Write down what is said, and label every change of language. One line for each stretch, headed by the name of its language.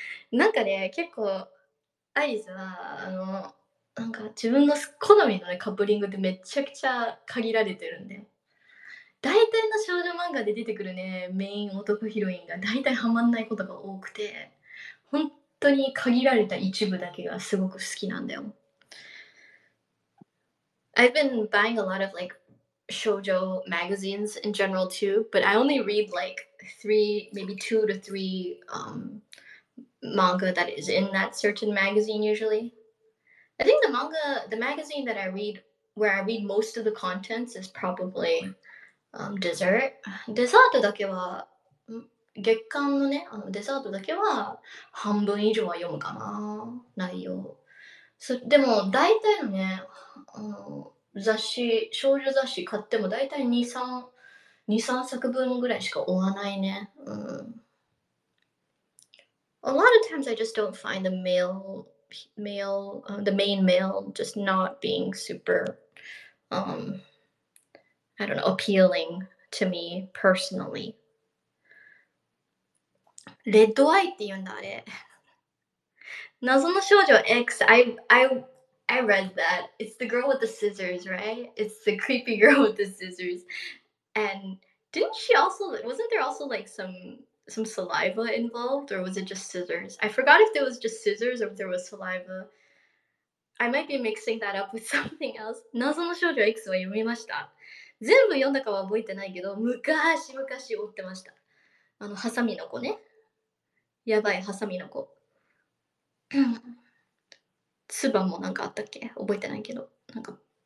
Japanese: なんかね、結構アイリスはなんか自分の好みの、ね、カップリングってめちゃくちゃ限られてるんだよ。大体の少女漫画で出てくるね、メイン男ヒロインが大体ハマんないことが多くて、本当に限られた一部だけがすごく好きなんだよ。
English: I've been buying a lot of like 少女 magazines in general too, but I only read like two to three manga that is in that certain magazine usually. I think the magazine that I read, where I read most of the contents is probably... dessert.
Japanese: デザートだけは月刊のね、デザートだけは半分以上は読むかな、内容。でも大体のね、雑誌、少女雑誌買っても大体2、3作分ぐらいしか追わないね。
English: A lot of times I just don't find the main male just not being super I don't know, appealing to me personally.
Japanese: Red Eye って言うんだ、あれ。謎の少女 X.
English: I read that. It's the girl with the scissors, right? It's the creepy girl with the scissors. And wasn't there also like some some saliva involved, or was it just scissors? I forgot if there was just scissors or if there was saliva. I might be mixing that up with something else.
Japanese: 謎の少女 X は読みました。全部読んだかは覚えてないけど、昔々追ってました。あの、ハサミの子ね。やばい、ハサミの子。ツバもなんかあったっけ？覚えてないけど、なんか。